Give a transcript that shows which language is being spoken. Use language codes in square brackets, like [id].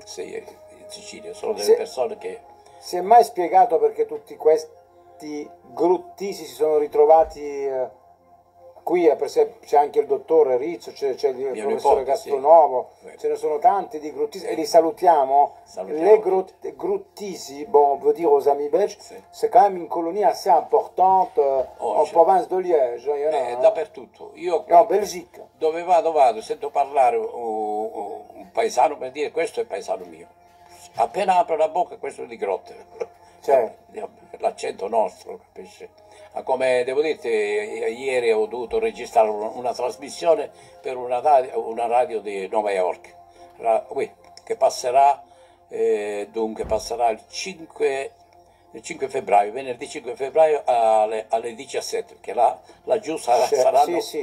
[it] Sì, in Sicilia sono delle persone che... Si è mai spiegato perché tutti questi gruttisi si sono ritrovati qui? Per esempio, c'è anche il dottore Rizzo, c'è il mio professore nipote, Castronovo, sì. Ce ne sono tanti di gruttisi, e li salutiamo. [fr] Les [it] gruttisi, bon, vuol dire [fr] aux amis belges, [it] sì. [fr] C'est quand même une colonie assez importante en province de Liège. [it] Beh, no? Dappertutto. Io [fr] no, Belgique. [it] Dove vado, sento parlare un paesano per dire questo è paesano mio. Appena apro la bocca, questo è di Grotte. Certo. L'accento nostro, capisci? Ma come devo dirti, ieri ho dovuto registrare una trasmissione per una radio di New York, che passerà, passerà il 5 febbraio, venerdì 5 febbraio alle 17, perché laggiù saranno